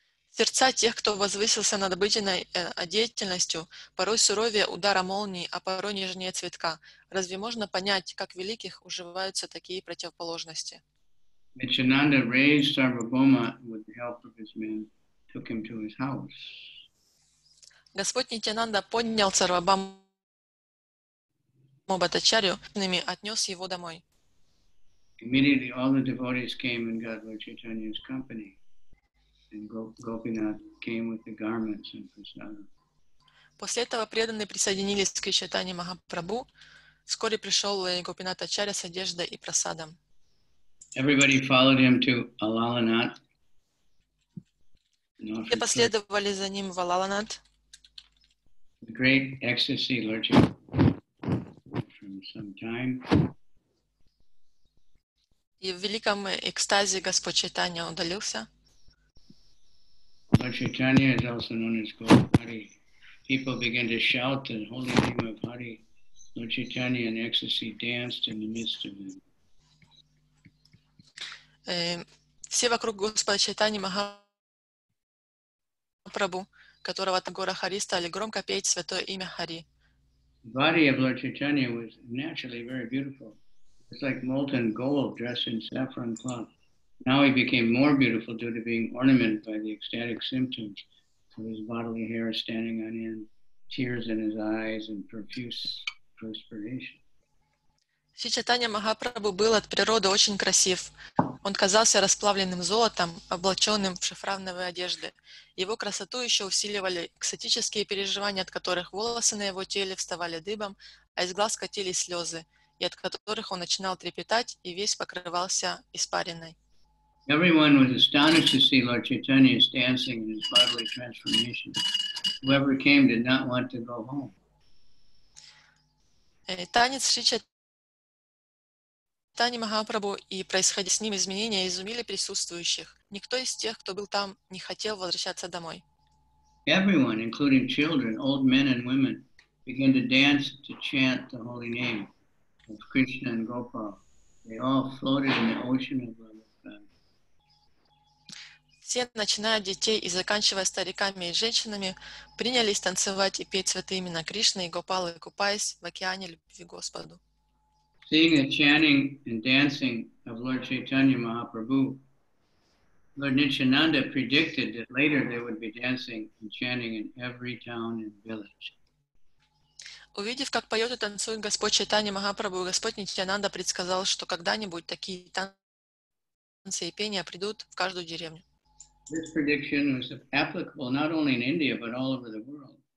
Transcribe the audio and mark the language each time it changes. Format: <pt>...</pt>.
<ru>Сердца тех, кто возвысился над обыденной деятельностью, порой суровее удара молнии, а порой нежнее цветка. Разве можно понять, как великих уживаются такие противоположности?</ru> <en>Нитьянанда raised Sarvabhauma with the help of his men, took him to his house.</en> <ru>Господь Нитьянанда поднял Сарвабхаума Бхаттачарью и отнес его домой.</ru> <en>Immediately all the devotees came and got Lord Chaitanya's company. And Gopinath came with the garments and prasadam.</en> <ru>После этого преданные присоединились к Чайтанье Махапрабху. Вскоре пришел Гопинат Ачарья с одеждой и прасадом.</ru> <en>Everybody followed him to Alalanath.</en> <ru>Все последовали за ним в Алаланат.</ru> <en>The great ecstasy, Lord Chaitanya, from some time.</en> <ru>И в великом экстазе Господь Чайтанья удалился.</ru> <en>Lord Chaitanya is also known as Gopahari. People begin to shout the holy name of Hari. Lord Chaitanya in ecstasy danced in the midst of them.</en> <ru>Все вокруг Господа Чайтани Махапрабху, которого от Гора Хари стали громко петь святое имя Хари.</ru> <en>Body of Lord Chaitanya was naturally very beautiful. It's like molten gold dressed in saffron cloth. Now he became more beautiful due to being ornamented by the ecstatic symptoms of his bodily hair standing on end, tears in his eyes and profuse perspiration.</en> <ru>Шри Чайтанья Махапрабху был от природы очень красив. Он казался расплавленным золотом, облаченным в шафрановые одежды. Его красоту еще усиливали экстатические переживания, от которых волосы на его теле вставали дыбом, а из глаз катились слезы, и от которых он начинал трепетать и весь покрывался испариной.</ru> <en>Everyone was astonished to see Lord Chaitanya's dancing and his bodily transformation. Whoever came did not want to go home.</en> <ru>Танец Шри Чайтанья Махапрабху и происходящие с ним изменения изумили присутствующих. Никто из тех, кто был там, не хотел возвращаться домой.</ru> <en>Everyone, including children, old men and women, began to dance to chant the holy name of Krishna and Gopal. They all floated in the ocean of love.</en> <ru>Все, начиная от детей и заканчивая стариками и женщинами, принялись танцевать и петь святые имена Кришны и Гопалы, купаясь в океане любви к Господу.</ru> <en>Seeing the chanting and dancing of Lord Chaitanya Mahaprabhu, Lord Nityananda predicted that later they would be dancing and chanting in every town and village.</en> <ru>Увидев, как поет и танцует Господь Чайтанья Махапрабху, Господь Нитьянанда предсказал, что когда-нибудь такие танцы и пения придут в каждую деревню.</ru> <en>This prediction was applicable not only in India, but all over the world.</en>